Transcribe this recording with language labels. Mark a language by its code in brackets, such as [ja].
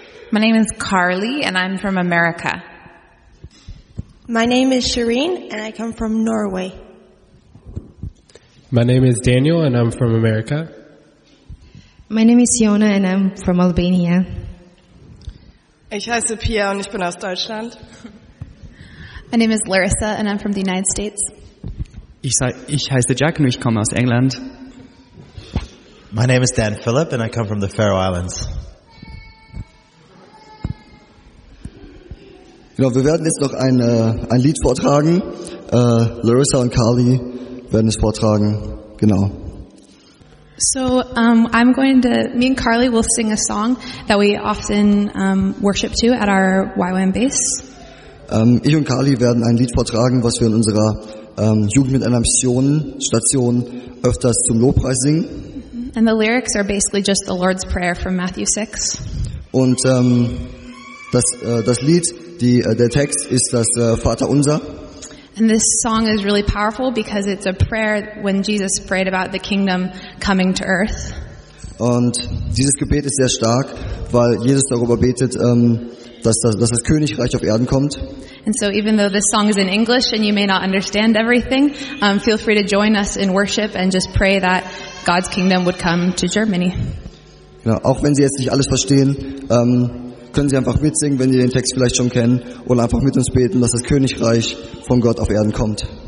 [en] My name is Carly and I'm from America. My name is Shireen and I come from Norway. My name is Daniel and I'm from America. My name is Fiona and I'm from Albania. [de] Ich heiße Pia und ich bin aus Deutschland. [en] My name is Larissa and I'm from the United States. [de] Ich heiße Jack und ich komme aus England. [en] My name is Dan Phillip and I come from the Faroe Islands. [de] Genau, wir werden jetzt noch ein Lied vortragen. Larissa und Carly werden es vortragen. Genau. [en] So, me and Carly will sing a song that we often worship to at our YWAM base. [de] Ich und Carly werden ein Lied vortragen, was wir in unserer Jugend mit einer Mission Station öfters zum Lobpreis singen. [en] And the lyrics are basically just the Lord's Prayer from Matthew 6. [de] Und das Lied, der Text ist das Vater Unser. [en] And this song is really powerful because it's a prayer when Jesus prayed about the kingdom coming to earth. [de] Und dieses Gebet ist sehr stark, weil Jesus darüber betet, dass das Königreich auf Erden kommt. [en] And so even though this song is in English and you may not understand everything, feel free to join us in worship and just pray that God's kingdom would come to Germany. [de] Ja, auch wenn Sie jetzt nicht alles verstehen, können Sie einfach mitsingen, wenn Sie den Text vielleicht schon kennen, oder einfach mit uns beten, dass das Königreich von Gott auf Erden kommt.